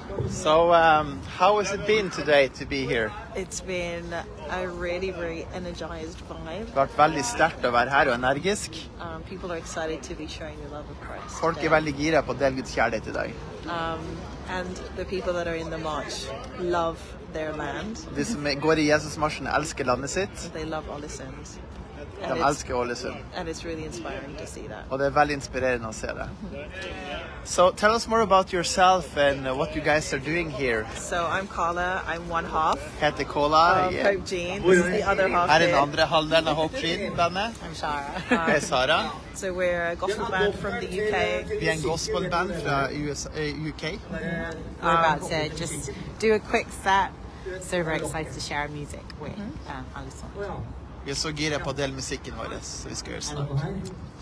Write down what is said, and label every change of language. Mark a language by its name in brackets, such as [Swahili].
[English] So, how has it been today to be here? It's been a really, really energized vibe. [Norwegian] Det har vært veldig sterkt å være her og energisk. [English] People are excited to be sharing the love of Christ. [Norwegian] Folk er veldig gira på å dele Guds kjærlighet i dag. [English] And the people that are in the march love their land. [Norwegian] De som går i Jesusmarsjen elsker landet sitt. [English] They love Ålesund. [Norwegian] De elsker Ålesund. [English] And it's really inspiring to see that. [Norwegian] Og det er veldig inspirerende å se det. [English] So tell us more about yourself and what you guys are doing here. So I'm Carla, I'm one half. [Norwegian] Heter Carla. [English] Hope Jean. This is the other half. [Norwegian] Er den andre halvdelen av Hope Jean, denne? [English] I'm Sara. [Norwegian] Hei, Sara. [English] So we're a gospel band from the UK. [Norwegian] Vi en gospel band fra UK. [English] We're about to just do a quick set. So we're excited to share our music with Alison. [Norwegian] Vi er så giret på å dele musikken vår, så vi skal gjøre snart.